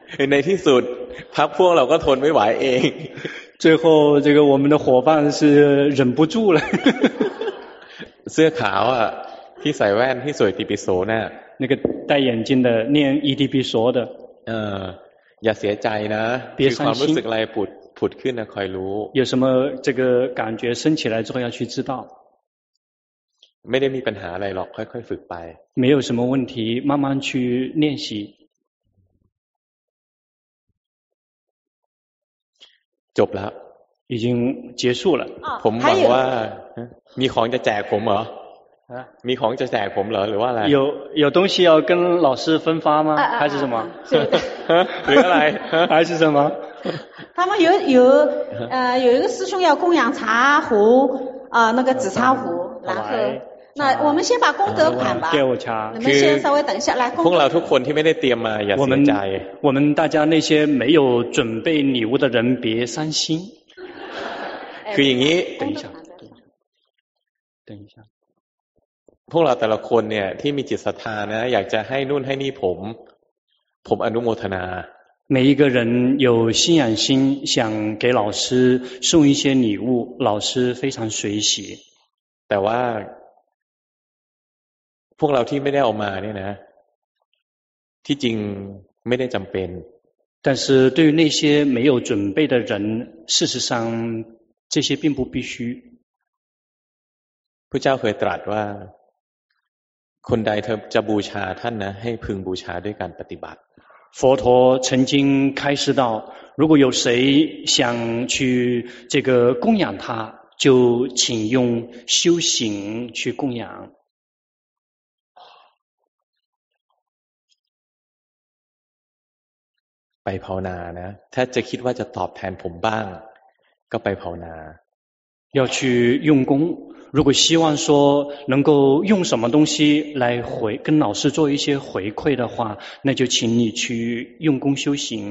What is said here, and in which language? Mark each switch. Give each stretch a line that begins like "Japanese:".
Thai: ในที่สุดพักพวกเราก็ทนไม่ไหวเอง
Chinese: 最后这个我们的伙伴是忍不住了
Thai: เสื้อขาวอ่ะที่ใส่แว่นที่สวยติปิโสเนี่ย
Chinese: 那个戴眼镜的念อีติปิโส的
Thai: อย่าเสียใจนะมี ความรู้สึกอะไรผุดขึ้นนะคอยรู้
Chinese: 有什么这个感觉升起来之后要去知道
Thai: ไม่ได้มีปัญหาอะไรหรอกค่อยๆฝึกไป
Chinese: 没有什么问题慢慢去练习
Thai: จบแล้ว
Chinese: 已经结束了
Thai: ผมหวังว่ามีของจะแจกผมเหรอมีของจะแจกผมเหรอหรือว่าอะไร
Chinese: 有东西要跟老师分发吗还是什么
Thai: หรืออะไร
Chinese: 还是什么他们有一个师兄要供养茶壶那个紫茶壶然后那我们先把功德款吧给我查你们先稍微等一下来功德老托昆天没得点嘛也是在我们大家那些没有准备礼物的人别伤心可以你等一下等一下
Thai: พวกเราแต่ละคนเนี่ยที่มีจิตศรัทธานะอยากจะให้นู่นให้นี่ผมอนุโมทนา
Chinese: 每一个人有信仰心想给老师送一些礼物老师非常随喜
Thai: แต่ว่าพวกเราที่ไม่ได้ออกมาเนี่ยนะที่จริงไม่ได้จำเป็น
Chinese: 但是对于那些没有准备的人事实上这些并不必须
Thai: พระเจ้าเคยตรัสว่าคนใดเธอจะบูชาท่านนะให้พึงบูชาด้วยการปฏิบัติ
Chinese: 佛陀曾经开示道如果有谁想去这个供养他就请用修行去供养
Thai: ไปภาวนานะถ้าจะคิดว่าจะตอบแทนผมบ้างก็ไปภาวนา
Chinese: 要去用功如果希望说能够用什么东西来回跟老师做一些回馈的话那就请你去用功修行